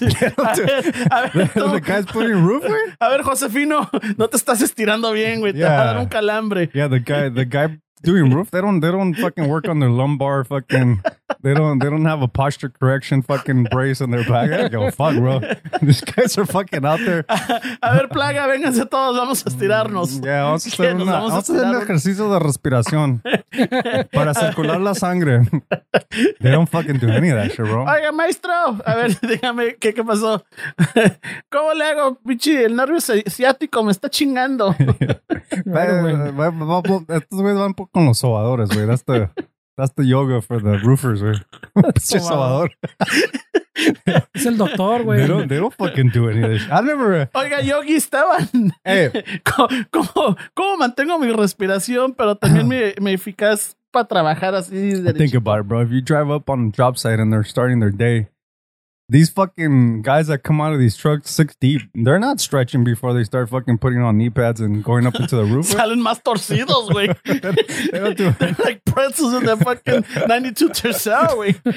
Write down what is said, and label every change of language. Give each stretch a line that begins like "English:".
English: The guy's putting roofer?
Spanish: A ver, Josefino, no te estás estirando bien, wey. Yeah. Te va a dar un calambre.
English: Yeah, the guy... doing roof, they don't fucking work on their lumbar fucking, they don't have a posture correction fucking brace on their back. I go, fuck, bro. These guys are fucking out there.
Spanish: A ver, plaga, vénganse todos, vamos a estirarnos. Yeah, vamos a hacer un ejercicio de respiración para circular la sangre.
English: They don't fucking do any of that shit, bro.
Spanish: Oiga, maestro, a ver, dígame, ¿qué pasó? ¿Cómo le hago, pichi? El nervio ciático me está chingando. Estos güeyes van con los sobadores, güey.
English: That's the yoga for the roofers,
Spanish: güey. Pinche sobador. Es el doctor, güey.
English: They don't fucking do any of this. I never...
Spanish: Oiga, Yogi Esteban.
English: Hey.
Spanish: ¿Cómo mantengo mi respiración, pero también mi eficaz para trabajar así?
English: Think about it, bro. If you drive up on a job site and they're starting their day, these fucking guys that come out of these trucks 6 deep, they're not stretching before they start fucking putting on knee pads and going up into the roof.
Spanish: Salen más torcidos, güey.
English: They're like pretzels in their fucking 92 Tercera, güey.